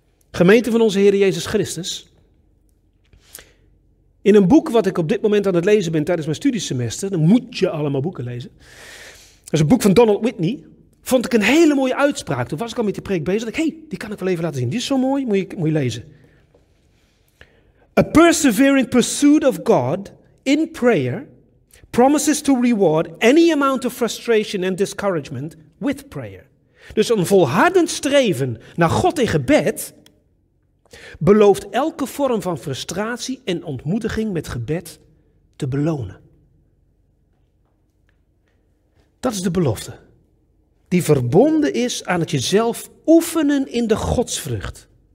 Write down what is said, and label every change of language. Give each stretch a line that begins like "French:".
Dutch: Gemeente van onze Heere Jezus Christus, in een boek wat ik op dit moment aan het lezen ben tijdens mijn studiesemester, dan moet je allemaal boeken lezen, dat is een boek van Donald Whitney, vond ik een hele mooie uitspraak. Toen was ik al met die preek bezig, dacht ik, hey, die kan ik wel even laten zien, die is zo mooi, moet je lezen.
English: A persevering pursuit of God in prayer promises to reward any amount of frustration and discouragement with prayer.
Dutch: Dus een volhardend streven naar God in gebed belooft elke vorm van frustratie en ontmoediging met gebed te belonen. Dat is de belofte. Die verbonden is aan het jezelf oefenen in de godsvrucht.